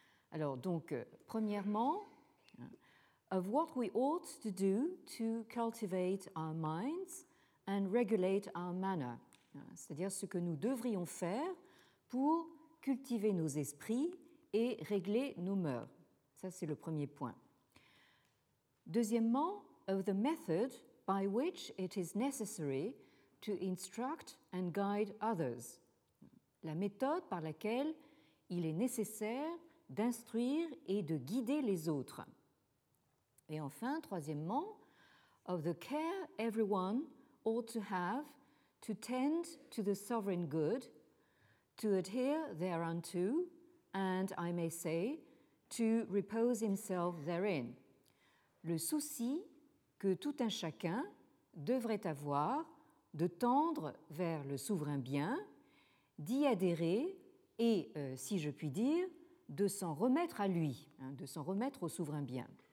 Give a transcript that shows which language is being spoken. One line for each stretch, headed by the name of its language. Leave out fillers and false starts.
French: Alors, donc, premièrement,
English: of what we ought to do to cultivate our minds and regulate our manner.
French: C'est-à-dire ce que nous devrions faire pour cultiver nos esprits et régler nos mœurs. Ça, c'est le premier point. Deuxièmement,
English: of the method by which it is necessary to instruct and guide others.
French: La méthode par laquelle il est nécessaire d'instruire et de guider les autres. Et enfin, troisièmement,
English: of the care everyone ought to have to tend to the sovereign good, to adhere thereunto, and I may say, to repose himself therein.
French: Le souci que tout un chacun devrait avoir de tendre vers le souverain bien, d'y adhérer et, si je puis dire, de s'en remettre à lui, de s'en remettre au souverain bien.